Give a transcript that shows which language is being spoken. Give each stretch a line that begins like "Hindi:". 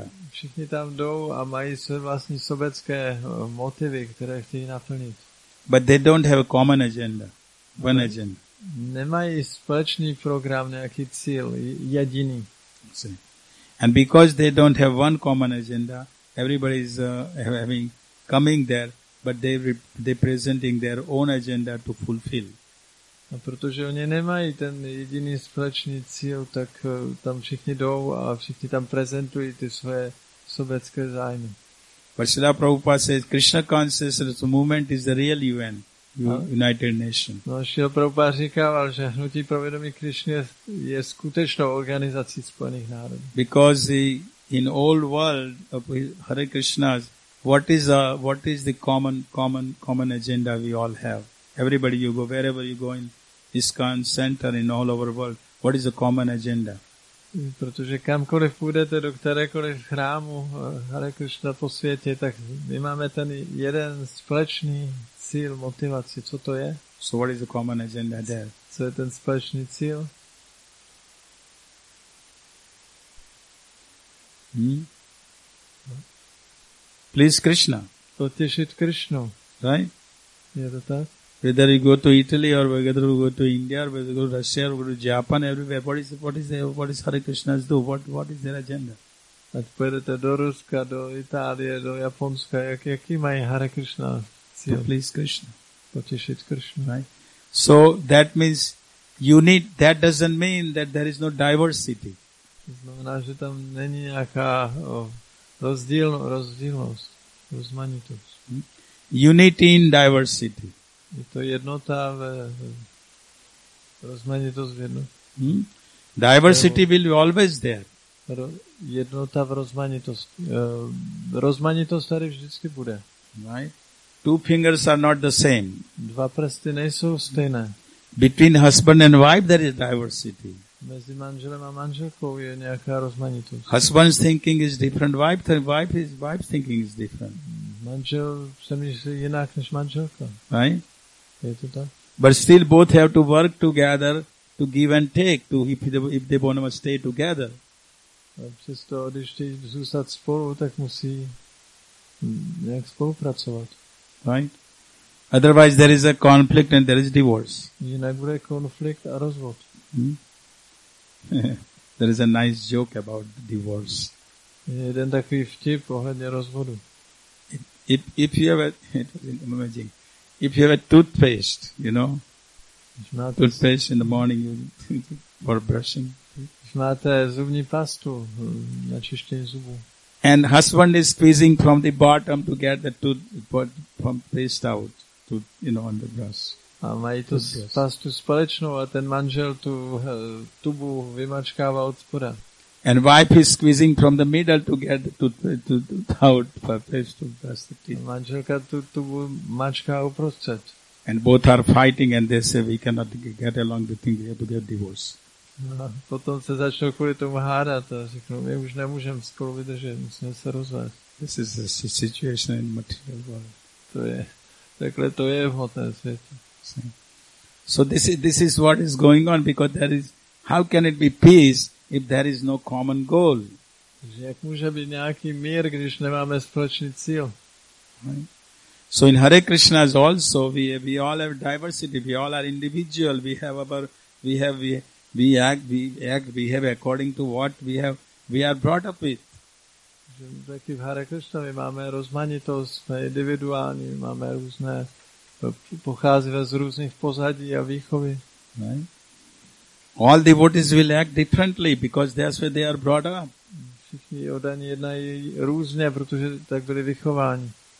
Czech: Všichni tam jdou a mají své vlastní sobecké motivy, které chtějí naplnit.
English: But they don't have a common agenda. One agenda.
Czech: Nemají společný program, nějaký cíl, jediný.
English: And because they don't have one common agenda, everybody is having coming there, but they presenting their own agenda to fulfill.
Czech: A protože oni nemají ten jediný společný cíl, tak tam všichni jdou a všichni tam prezentují ty své sobecké zájmy.
English: But Srila Prabhupada says, Krishna consciousness movement is the real UN, United Nations.
Czech: No, Srila Prabhupada říkával, že hnutí pro vědomí Krishna je skutečnou organizací Spojených národů.
English: Because in old world of Hare Krishna, what is the common agenda we all have? Everybody, you go wherever you go in ISKCON center in all over world, What is the common agenda?
Czech: Protože kamkoliv půjdete, do kterékoliv chrámu Hare Krishna po světě, tak my máme ten jeden společný cíl, motivaci. Co to je?
English: So what is the common agenda there?
Czech: Co je ten společný cíl?
English: Please Krishna.
Czech: Potěšit Krishnu.
English: Right?
Czech: Je to tak?
English: Whether you go to Italy or whether you go to India or whether you go to Russia or go to Japan, everywhere, what is Hare Krishna's do? What is their agenda?
Czech: Ať pojedete do Ruska, do Itálie, do Japonska, jaký mají Hare Krishna cíl?
English: To please Krishna.
Czech: Potěšit Krishna.
English: Right? So that means you need, that doesn't mean that there is no diversity.
Czech: To znamená, že tam není nějaká rozdílnost, rozmanitost.
English: Unity in diversity.
Czech: Je to jednota v rozmanitost v jednotě.
English: Diversity will be always there.
Czech: Jednota v rozmanitost. Rozmanitost tady vždycky bude.
English: Right? Two fingers are not the same.
Czech: Dva prsty nejsou stejné.
English: Between husband and wife there is diversity.
Czech: Mezi manželem a manželkou je nějaká rozmanitost.
English: Husband's thinking is different. Wife's thinking is different.
Czech: Manžel přemýšlí jinak než manželka.
English: Right?
Czech: Je to tak?
English: But still both have to work together to give and take to if they want to stay together.
Czech: A přesto, když chtějí zůstat spolu, tak musí nějak spolupracovat.
English: Right? Otherwise there is a conflict and there is divorce.
Czech: Jinak bude konflikt a rozvod.
English: There is a nice joke about divorce.
Czech: Je jeden takový vtip ohledně rozvodu.
English: If you have a toothpaste, you know, toothpaste in the morning for brushing.
Czech: Máte zubní pastu na čištění zubů.
English: And husband is squeezing from the bottom to get the tooth from paste out, to, you know, on the brush.
Czech: A mají tu pastu společnou a ten manžel tu tubu vymačkává od spoda.
English: And wife is squeezing from the middle to get to brush the teeth.
Czech: Manželka tu tubu mačká uprostřed.
English: And both are fighting and they say we cannot get along, the thing, we have to get divorced.
Czech: Potom se začnou kvůli tomu hádat a řeknou, my už nemůžeme spolu vydržet, musíme se rozvést.
English: This is the situation in material world.
Czech: To je, takhle to je v hmotném světě.
English: So this is what is going on, because there is, how can it be peace if there is no common goal?
Czech: Jak může být nějaký mír, když nemáme společný cíl?
English: So in Hare Krishna's also we all have diversity, we all are individual, we have according to what we are brought up with.
Czech: Taky v Hare Krishna my máme rozmanitost, jsme individuální, máme různé. Pochází z různých pozadí a výchovy.
English: Right? All devotees will act differently because that's where they are brought up.
Czech: Všichni oddaní jednají různě, protože tak byli vychováni.